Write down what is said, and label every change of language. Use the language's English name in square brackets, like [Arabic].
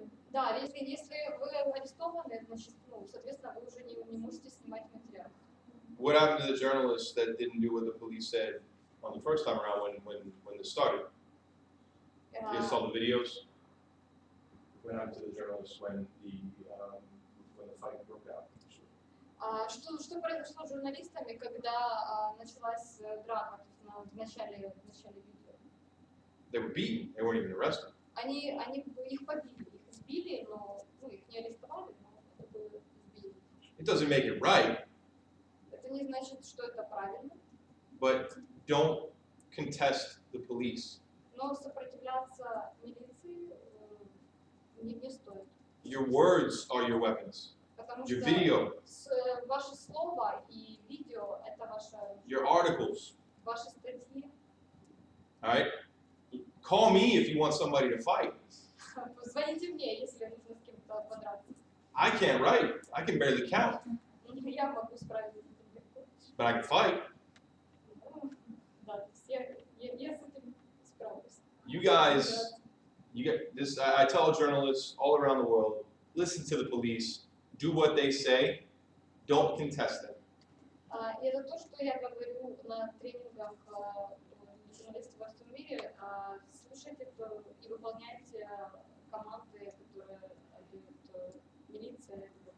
[Russian] Да, если вы арестованы, значит, ну, соответственно, вы уже не можете снимать материал. [English] What happened to the journalists that didn't do what the police said on the first time around when this started? You guys saw the videos? What happened to the journalists when the fight broke out? [Russian] Что произошло с журналистами, когда началась драка в начале видео? [English] They were beaten. They weren't even arrested. [Russian] Они их побили, их избили, но ну, их не арестовали, но это было избили. [English] It doesn't make it right. [Russian] Это не значит, что это правильно. [English] But don't contest the police. [Russian] Но сопротивляться милиции не стоит. [English] Your words are your weapons. Your video. [Russian] Ваше слово и видео это ваше. [English] Your articles. [Russian] Ваши статьи. [English] Alright. Call me if you want somebody to fight. [Russian] Позвоните мне, если нужно с кем-то подраться. [English] I can't write. I can barely count. [Russian] Я могу справиться легко. [English] But I can fight. [Russian] Да, я с этим справлюсь. [English] You guys, I tell journalists all around the world, listen to the police. Do what they say. Don't contest them. [Russian] Это то, что я говорю на тренингах журналистов во всем мире. Слушайте и выполняйте команды, которые дают милиция.